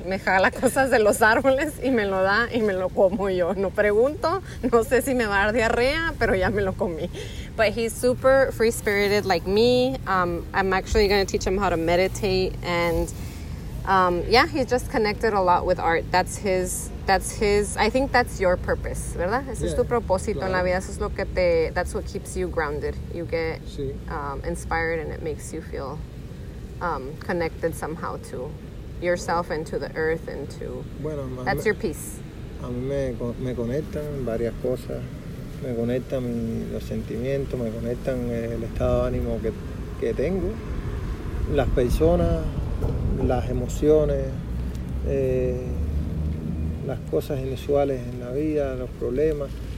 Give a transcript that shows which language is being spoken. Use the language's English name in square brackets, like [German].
[Spanish] Me jala cosas de los árboles y me lo da y me lo como yo. No pregunto, no sé si me va a dar diarrea, pero ya me lo comí. [English] But he's super free spirited like me. I'm actually going to teach him how to meditate and... yeah, he's just connected a lot with art. I think that's your purpose, ¿verdad? [Spanish] Ese es tu propósito en la vida. Eso es lo que te, [English] that's what keeps you grounded. You get inspired and it makes you feel connected somehow to yourself and to the earth and to, [Spanish] bueno, [English] that's your peace. [Spanish] A mí me conectan varias cosas. Me conectan los sentimientos, me conectan el estado de ánimo que tengo. Las personas... las emociones, las cosas inusuales en la vida, los problemas,